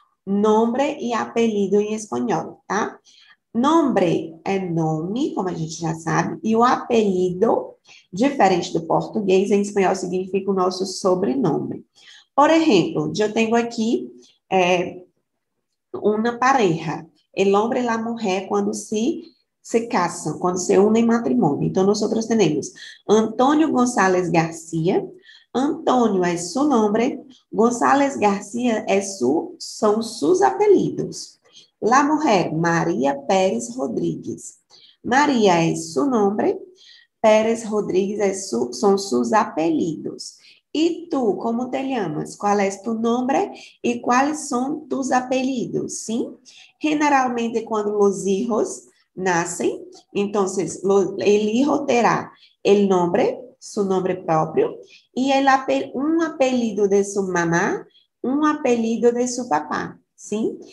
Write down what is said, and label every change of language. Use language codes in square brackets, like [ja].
[pt] Nombre e apellido em espanhol, tá? Nombre é nome, como a gente já sabe, e o apellido, diferente do português, em espanhol significa o nosso sobrenome. Por exemplo, eu tenho aqui uma pareja. [es] El hombre y la mujer cuando se casan, cuando se unen en matrimonio. Entonces nosotros tenemos Antonio González García. Antonio es su nombre. González García son sus apellidos. La mujer, María Pérez Rodríguez. María es su nombre. Pérez Rodríguez son sus apellidos. [pt] E tu, como te chamas? Qual é tu nome e quais são tus apelidos? Sim? Generalmente, quando os filhos nascem, então, o filho terá o nome, seu nome próprio, e um apelido de sua mamá, um apelido de seu papá. Sim?